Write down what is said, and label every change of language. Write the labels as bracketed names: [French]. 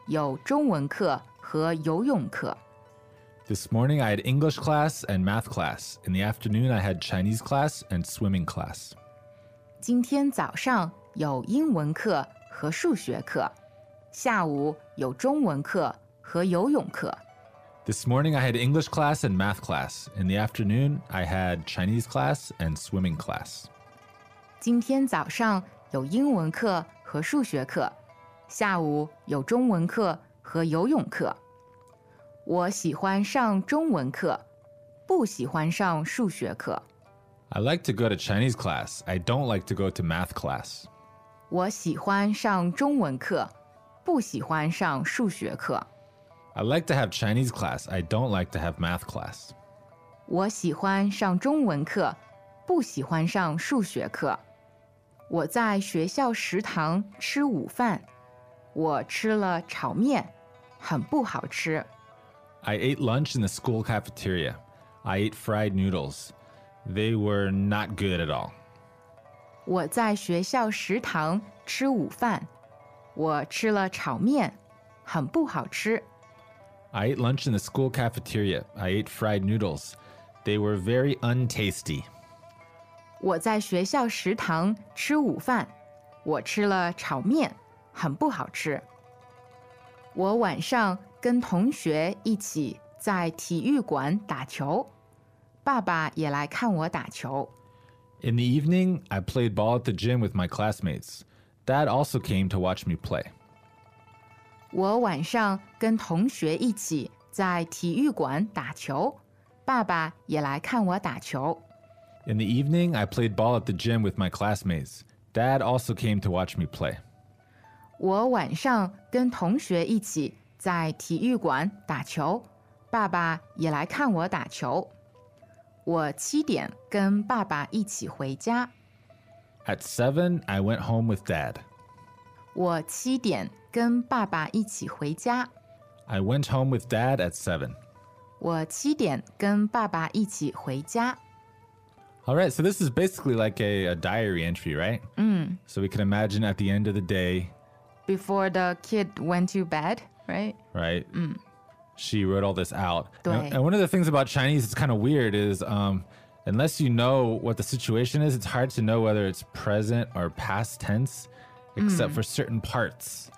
[Chinese] 我6点半起床，7点去学校。今天早上有英文课和数学课，下午有中文课和游泳课。 [English] This morning, I had English class and math class. In the afternoon, I had Chinese class and swimming class. [Chinese] 今天早上有英文课和数学课，下午有中文课和游泳课。This [English] morning, I had English class and math class. In the afternoon, I had Chinese class and swimming class. [Chinese] 今天早上有英文课和数学课，下午有中文课和游泳课。我喜欢上中文课，不喜欢上数学课。I [English] like to go to Chinese class. I don't like to go to math class. [Chinese] 我喜欢上中文课，不喜欢上数学课。I [English] like to have Chinese class. I don't like to have math class. [Chinese] 我喜欢上中文课，不喜欢上数学课。我在学校食堂吃午饭，我吃了炒面，很不好吃。 [English] I ate lunch in the school cafeteria. I ate fried noodles. They were not good at all. [Chinese] 我在学校食堂吃午饭，我吃了炒面，很不好吃。 [English] I ate lunch in the school cafeteria. I ate fried noodles. They were very untasty. [Chinese] 我在学校食堂吃午饭，我吃了炒面，很不好吃。我晚上跟同学一起在体育馆打球，爸爸也来看我打球。 [English] In the evening, I played ball at the gym with my classmates. Dad also came to watch me play. [Chinese] 我晚上跟同学一起在体育馆打球，爸爸也来看我打球。 [English] In the evening, I played ball at the gym with my classmates. Dad also came to watch me play. [Chinese] 我晚上跟同学一起在体育馆打球，爸爸也来看我打球。我七点跟爸爸一起回家。 [English] At 7, I went home with Dad. [Chinese] 我七点跟爸爸一起回家。 [English] I went home with Dad at 7. [Chinese] 我七点跟爸爸一起回家。 [English] All right, so this is basically like a diary entry, right? So we can imagine at the end of the day, before the kid went to bed, right? Right. Mm. She wrote all this out. And one of the things about Chinese that's kind of weird is unless you know what the situation is, it's hard to know whether it's present or past tense, except for certain parts.